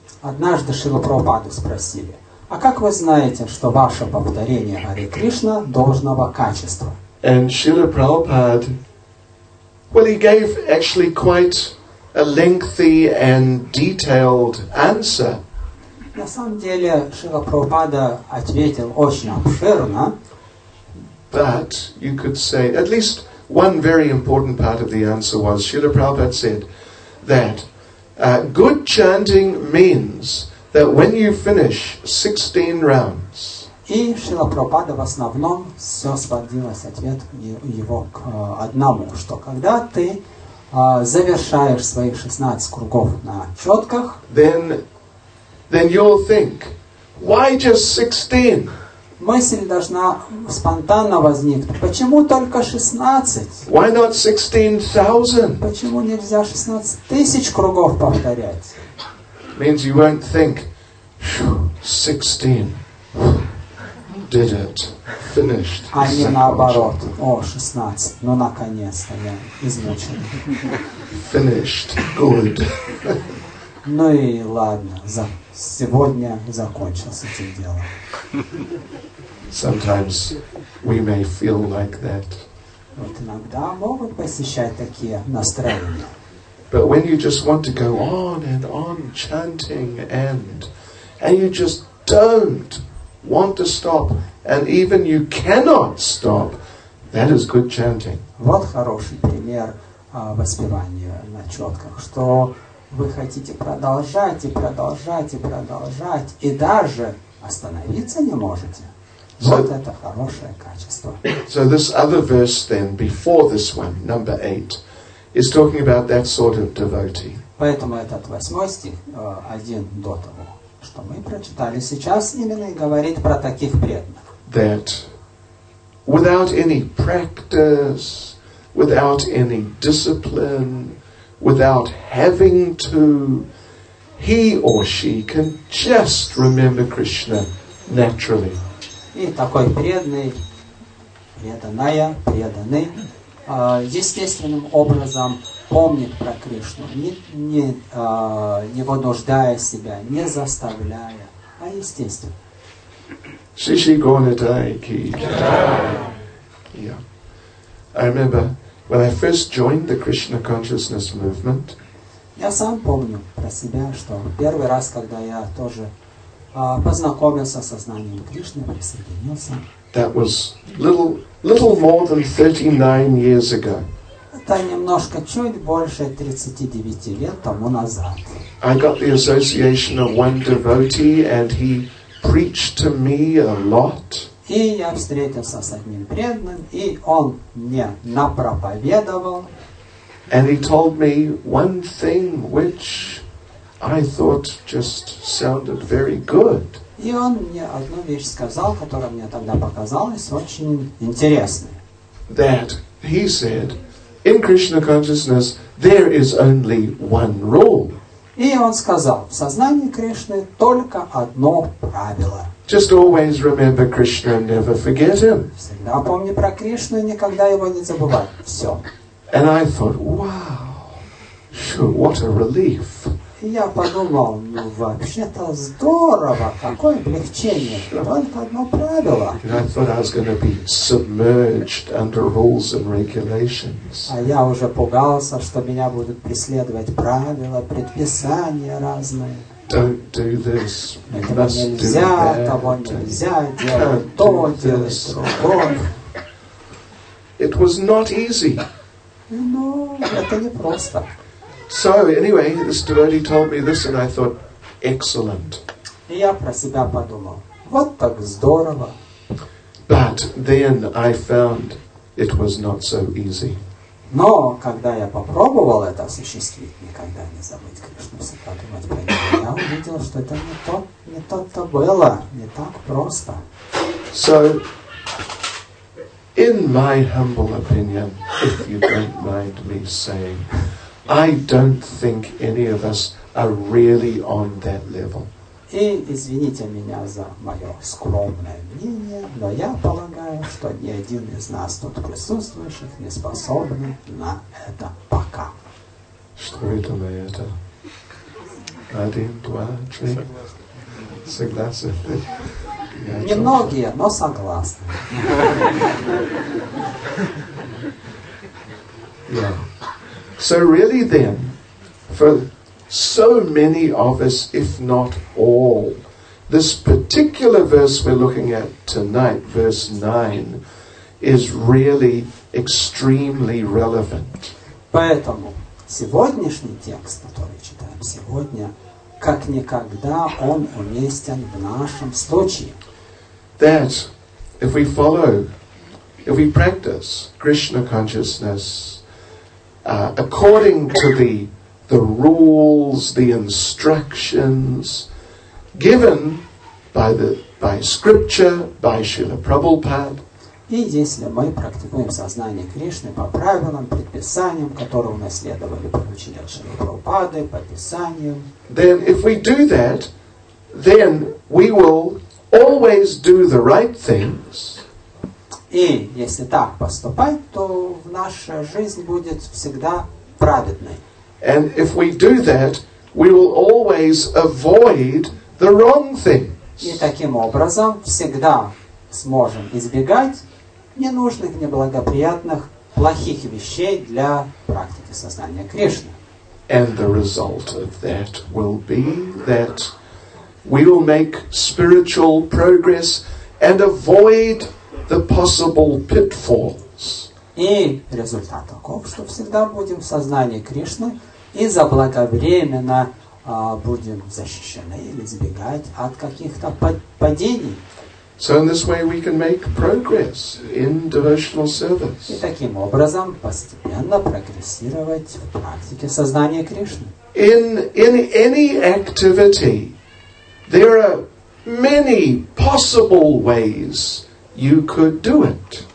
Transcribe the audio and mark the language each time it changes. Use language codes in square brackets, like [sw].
[ru] Однажды Шрила Прабхупаду спросили, а как вы знаете, что ваше повторение Харе Кришна должного качества? [en] And Шрила Прабхупада, well, he gave actually quite a lengthy and detailed answer. [ru] На самом деле Шрила Прабхупада ответил очень обширно. [en] But you could say, at least one very important part of the answer was, Srila Prabhupada said that good chanting means that when you finish 16 rounds, [ru] и Шрила Прабхупада в основном все сводилось ответ его к одному, что когда ты завершаешь свои 16 кругов на четках, [en] then you'll think, why just 16? [ru] Мысль должна спонтанно возникнуть. Почему только 16? [en] Why not 16,000? [ru] Почему нельзя 16,000 кругов повторять? [en] Means you won't think, 16, did it, finished. [ru] А не наоборот. О, 16, ну наконец-то я измучен. [en] Finished, good. [ru] Ну и ладно, сегодня закончилось это дело. [en] Sometimes we may feel like that. [ru] Вот иногда могут посещать такие настроения. [en] But when you just want to go on and on chanting and you just don't want to stop, and even you cannot stop, that is good chanting. [ru] Вот хороший пример воспевания на четках, что вы хотите продолжать и продолжать и продолжать, и даже остановиться не можете. Вот это хорошее качество. [en] So this other verse then, before this one, number 8, is talking about that sort of devotee. [ru] Поэтому этот восьмой стих, один до того, что мы прочитали сейчас, именно и говорит про таких преданных. [en] That without any practice, without any discipline, without having to, he or she can just remember Krishna naturally. [ru] И такой преданный, преданная, преданный, естественным образом помнит про Кришну, не вынуждая себя, не заставляя, а естественно. Шиши Гонитай Ки. [en] I remember when I first joined the Krishna Consciousness Movement. [ru] Я сам помню про себя, что первый раз, когда я тоже познакомился со сознанием Кришны, присоединился. [en] That was little more than 39 years ago. [ru] Это немножко чуть больше 39 лет тому назад. [en] I got the association of one devotee, and he preached to me a lot. [ru] И я встретился с одним преданным, и он мне напроповедовал. [en] And he told me one thing which I thought just sounded very good. [ru] И он мне одну вещь сказал, которая мне тогда показалась очень интересной. [en] That he said, in Krishna consciousness there is only one rule. [ru] И он сказал, в сознании Кришны только одно правило. [en] Just always remember Krishna and never forget him. [ru] Всегда помни про Кришну и никогда его не забывай. Все. [en] And I thought, wow, sure, what a relief. [ru] Я подумал, ну вообще-то здорово, какое облегчение. Только одно правило. [en] And I thought I was going to be submerged under rules and regulations. [ru] А я уже пугался, что меня будут преследовать правила, предписания разные. [en] Don't do this. [ru] Этого нельзя, того нельзя, делать то, делать другое. [en] It was not easy. [ru] Ну, это не просто. [en] So anyway, this devotee told me this, and I thought, excellent. [ru] Я про себя подумал, вот так здорово. [en] But then I found it was not so easy. [ru] Но когда я попробовал это осуществить, никогда не забыть Кришну, всегда думать про это, я увидел, что это не то было, не так просто. [en] So, in my humble opinion, if you don't mind me saying, I don't think any of us are really on that level. [ru] И извините меня за мое скромное мнение, но я полагаю, что ни один из нас тут присутствующих не способен на это пока. Что это на это? Один, два, три. Согласен. Согласен. Немногие, но согласны. [en] Yeah. So really then, for so many of us, if not all, this particular verse we're looking at tonight, verse 9, is really extremely relevant. [ru] Поэтому сегодняшний текст, который читаем сегодня, как никогда он уместен в нашем случае. [en] That if we follow, if we practice Krishna consciousness, according to the rules, the instructions given by scripture, by Srila Prabhupada. [ru] И если мы практикуем сознание Кришны по правилам, предписаниям, которые унаследовали по учению Шри Прабхупады, по писаниям, [en] then if we do that, then we will always do the right things. [ru] И если так поступать, то наша жизнь будет всегда праведной. [en] And if we do that, we will always avoid the wrong things. [ru] И таким образом всегда сможем избегать ненужных, неблагоприятных, плохих вещей для практики сознания Кришны. [en] And the result of that will be that we will make spiritual progress and avoid the possible pitfalls. [ru] И результат таков, что всегда будем в сознании Кришны и заблаговременно будем защищены или избегать от каких-то падений. [en] So in this way we can make progress in devotional service. [ru] И таким образом постепенно прогрессировать в практике сознания Кришны. [en] In any activity, there are many possible ways you could do it.